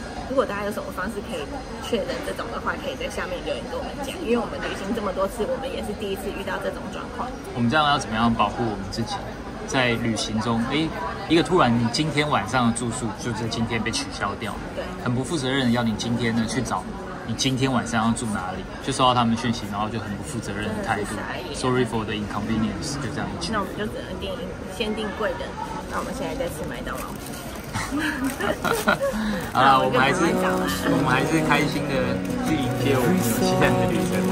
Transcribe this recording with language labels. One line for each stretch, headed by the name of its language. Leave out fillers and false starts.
Chinese: 如果大家有什么方式可以确认这种的话，可以在下面留言跟我们讲，因为我们旅行这么多次，我们也是第一次遇到这种状况。我们这样要怎么样保护我们自己在旅行中，哎，一个突然你今天晚上的住宿就在今天被取消掉，对，很不负责任的要你今天呢去找你今天晚上要住哪里，就收到他们讯息，然后就很不负责任的态度。
English: Sorry for the inconvenience，
Chinese: 就这样。那我们就只能订先订贵的，那我们现在再去麦当劳。好了，我们还是开心的去迎接我们纽西兰的旅程。